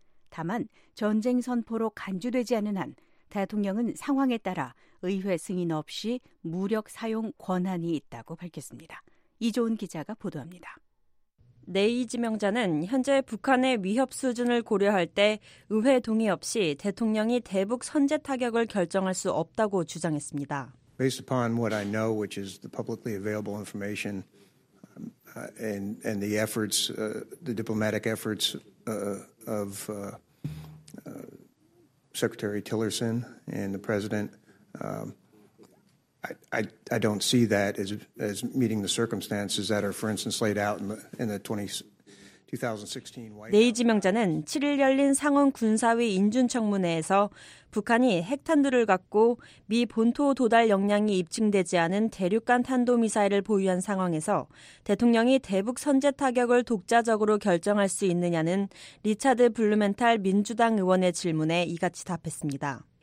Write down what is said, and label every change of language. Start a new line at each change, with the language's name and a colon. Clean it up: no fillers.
Korean: 다만 전쟁 선포로 간주되지 않은 한 대통령은 상황에 따라 의회 승인 없이 무력 사용 권한이 있다고 밝혔습니다. 이조은 기자가 보도합니다. 네이 지명자는 현재 북한의 위협 수준을 고려할 때 의회 동의 없이 대통령이 대북 선제 타격을 결정할 수 없다고 주장했습니다.
English: Based upon what I know, which is the publicly available information and the efforts, the diplomatic efforts of Secretary Tillerson and the President, I don't see that as meeting the circumstances that are, for instance, laid out in the 2016.
Korean: 네이 지명자는 7일 열린 상원 군사위 인준청문회에서 북한이 핵탄두를 갖고 미 본토 도달 역량이 입증되지 않은 대륙간 탄도 미사일을 보유한 상황에서 대통령이 대북 선제 타격을 독자적으로 결정할 수 있느냐는 리차드 블루멘탈 민주당 의원의 질문에 이같이 답했습니다.